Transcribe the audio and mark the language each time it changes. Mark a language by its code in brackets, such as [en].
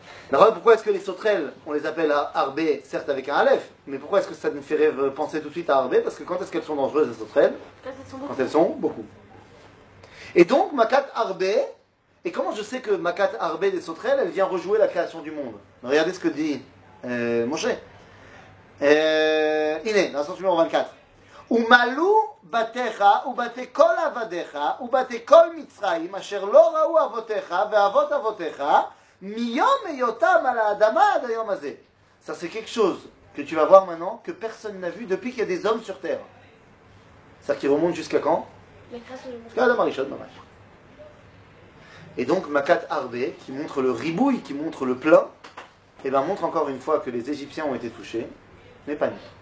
[fr] Alors pourquoi est-ce que les sauterelles, on les appelle Arbé, certes avec un Aleph, mais pourquoi est-ce que ça nous ferait penser tout de suite à Arbé? Parce que quand est-ce qu'elles sont dangereuses, les sauterelles? Quand elles sont beaucoup. Et donc, Makat Arbé, et comment je sais que Makat Arbé des sauterelles, elle vient rejouer la création du monde? Regardez ce que dit Moshe. Iné, dans le sens numéro 24. [he] ומלו בתיך ובתי כל עבדיך ובתי כל מצרים אשר לא ראו אבותיך ואבות אבותיך מיום היותם על האדמה עד היום הזה. [fr] Ça c'est quelque chose que tu vas voir maintenant que personne n'a vu depuis qu'il y a des hommes sur terre. Ça qui remonte jusqu'à quand? Jusqu'à Adam Arishon, dommage. Et donc Makat Arbé, qui montre le ribouille, qui montre le plein, et ben montre encore une fois que les Égyptiens ont été touchés, mais pas nous.